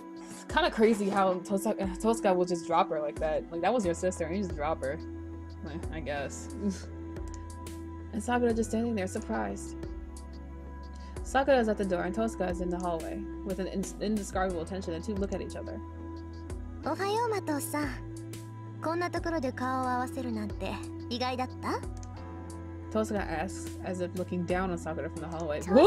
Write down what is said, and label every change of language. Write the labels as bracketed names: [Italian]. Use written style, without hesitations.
[English] It's kind of crazy how Tosaka will just drop her like that. Like, that was your sister, and you just drop her. I guess. And Sakura just standing there, surprised. Sakura is at the door and Tosaka is in the hallway. With an indescribable tension, the two look at each other. [Japanese] おはようマトさん。こんなところで顔を合わせるなんて意外だった？ [English] Tosuka asks as if looking down on Sakura from the hallway.